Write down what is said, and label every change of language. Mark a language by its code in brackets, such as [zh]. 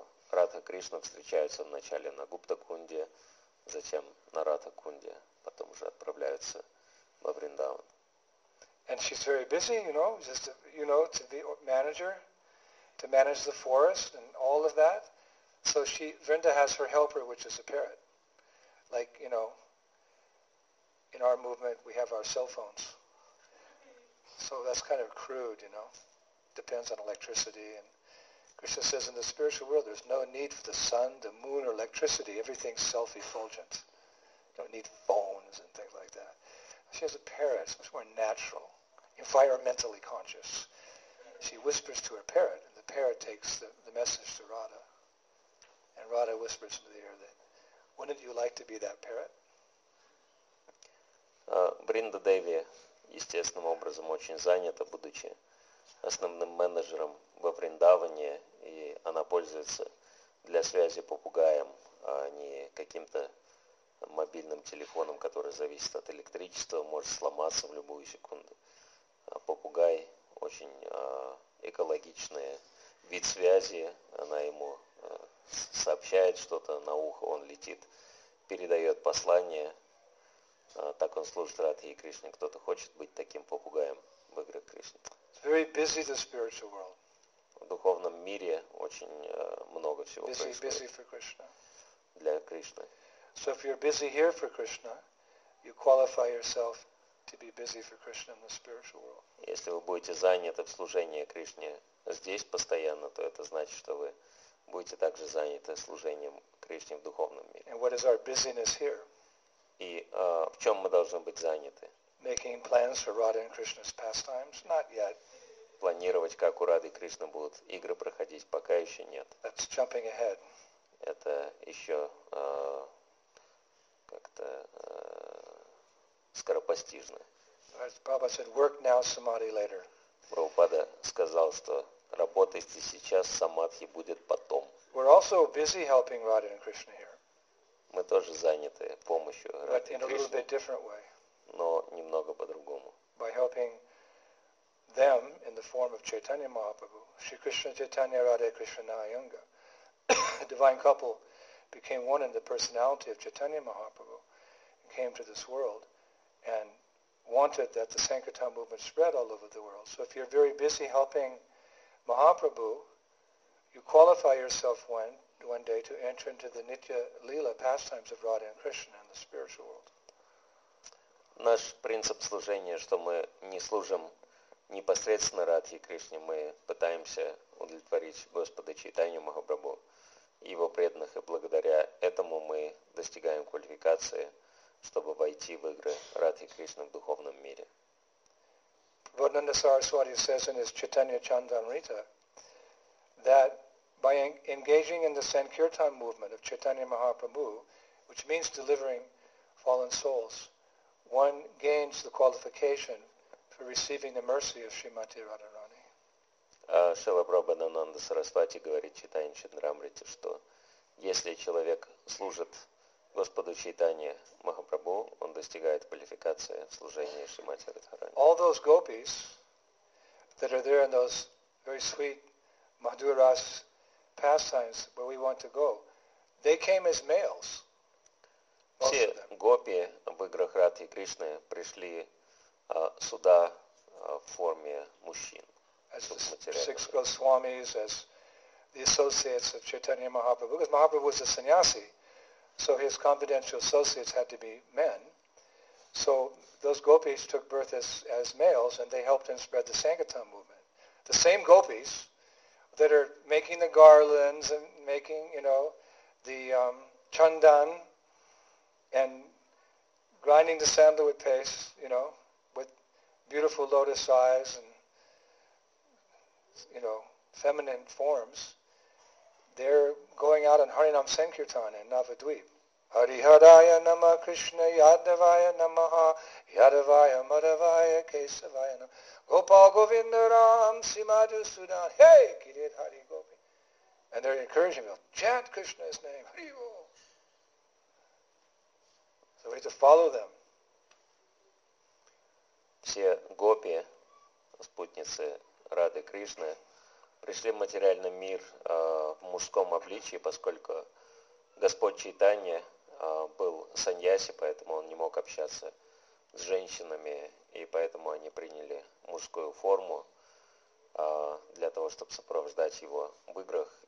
[ru] Радха Кришна встречаются вначале на Гуптакунде, затем на Радхакунде, потом уже отправляются во Бриндаван. [en] And she's very busy, you know, just to, you know, to be manager. To manage the forest and all of that, so she Vrinda has her helper, which is a parrot. Like you know, in our movement, we have our cell phones. So that's kind of crude, you know. Depends on electricity. And Krishna says in the spiritual world, there's no need for the sun, the moon, or electricity. Everything's self-effulgent. You don't need phones and things like that. She has a parrot. It's much more natural, environmentally conscious. She whispers to her parrot. The parrot takes the message to Radha, and Radha whispers into the ear that, "Wouldn't you like to be that parrot?" [ru] Бринда Деви естественным образом очень занята, будучи основным менеджером во Вриндаване, и она пользуется для связи попугаем, а не каким-то мобильным телефоном, который зависит от электричества, может сломаться в любую секунду. Попугай очень экологичный вид связи, она ему сообщает что-то на ухо, он летит, передает послание. Так он служит Радхе и Кришне. Кто-то хочет быть таким попугаем в играх Кришны. [en] It's very busy, the spiritual world. [ru] В духовном мире очень много всего [en] busy, [ru] происходит [en] busy for Krishna. [ru] Для Кришны. [en] So if you're busy here for Krishna, you qualify yourself to be busy for Krishna in the spiritual world. [ru] Если вы будете заняты в служении Кришне здесь постоянно, то это значит, что вы будете также заняты служением Кришне в духовном мире. [en] And what is our busyness here? [ru] И в чем мы должны быть заняты? [en] Making plans for Radha and Krishna's pastimes? Not yet. [ru] Планировать, как у Рады и Кришны будут игры проходить, пока еще нет. [en] That's jumping ahead. [ru] Это еще как-то скоропостижно. [en] As Baba said, work now, samadhi later. [ru] Прабхупада сказал, что работайте сейчас, самадхи будет потом. [en] We're also busy helping Radha and Krishna here. [ru] Мы тоже заняты помощью Радхе и [en] Кришне. But in a little bit different way. [ru] Но немного по-другому. [en] By helping them in the form of Chaitanya Mahaprabhu, Shri Krishna Chaitanya Radha Krishna Iyengar. The divine couple became one in the personality of Chaitanya Mahaprabhu. came to this world and wanted that the Sankirtan movement spread all over the world. So if you're very busy helping Mahaprabhu, you qualify yourself one day to enter into the Nitya Lila pastimes of Radha and Krishna in the spiritual world. [ru] Наш принцип служения, что мы не служим непосредственно Радхе Кришне, мы пытаемся удовлетворить Господа Чайтанью Махапрабху и его преданных, и благодаря этому мы достигаем квалификации, чтобы войти в игры Радхи Кришны в духовном мире. [en] Vodnanda Saraswati says in his Chaitanya Chandramrita that by engaging in the Sankirtan movement of Chaitanya Mahaprabhu, which means delivering fallen souls, one gains the qualification for receiving the mercy of Srimati Radharani. [ru] Шрила Прабхупада Сарасвати говорит Чайтанья Чандрамрите, что если человек служит Господу Чайтанье Махапрабху, он достигает квалификации в служении Шримати Радхарани. [en] All those gopis that are there in those very sweet Madhuras pastimes where we want to go, they came as males. [ru] Все гопи в играх Радхи Кришны пришли сюда в форме мужчин. [en] As the six Госвамис, as the associates of Chaitanya Mahaprabhu, because Mahaprabhu was a sannyasi, so his confidential associates had to be men. So those gopis took birth as males, and they helped him spread the Sankirtan movement. The same gopis that are making the garlands and making, you know, the chandan, and grinding the sandalwood paste, you know, with beautiful lotus eyes and, you know, feminine forms, they're going out in Harinam Sankirtan in Navadvip. [sa] Hariharaya Nama Krishna Yadavaya Namaha Yadavaya Madhavaya Kesavaya Namaha Gopal Govindaram Simadhu Sudan. Hey! Kirit Hari Gopi. [en] And they're encouraging me, chant Krishna's name. Hari Gopi. So we have to follow them. [ru] Все гопи, спутницы Рады Кришны, пришли в материальный мир в мужском обличии, поскольку Господь Чайтанья был саньяси, поэтому он не мог общаться с женщинами, и поэтому они приняли мужскую форму для того, чтобы сопровождать его в играх.